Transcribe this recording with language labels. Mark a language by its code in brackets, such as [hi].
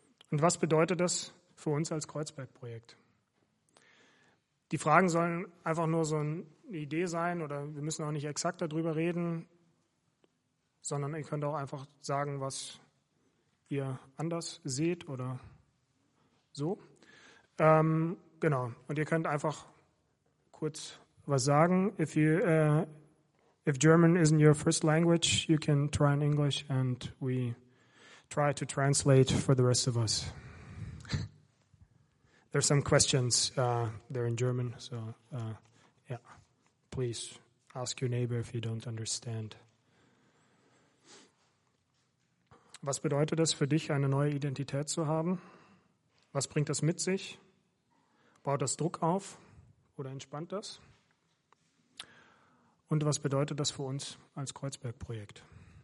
[de] Und was bedeutet das für uns als Kreuzberg-Projekt? Die Fragen sollen einfach nur so eine Idee sein, oder wir müssen auch nicht exakt darüber reden, sondern ihr könnt auch einfach sagen, was ihr anders seht oder so. Genau, und ihr könnt einfach kurz was sagen. [en] If German isn't your first language, you can try in English and we try to translate for the rest of us. There's some questions, they're in German, so yeah, please ask your neighbor if you don't understand. [de] Was bedeutet es für dich, eine neue Identität zu haben? Was bringt das mit sich? Baut das Druck auf oder entspannt das? Und was bedeutet das für uns als Kreuzberg-Projekt?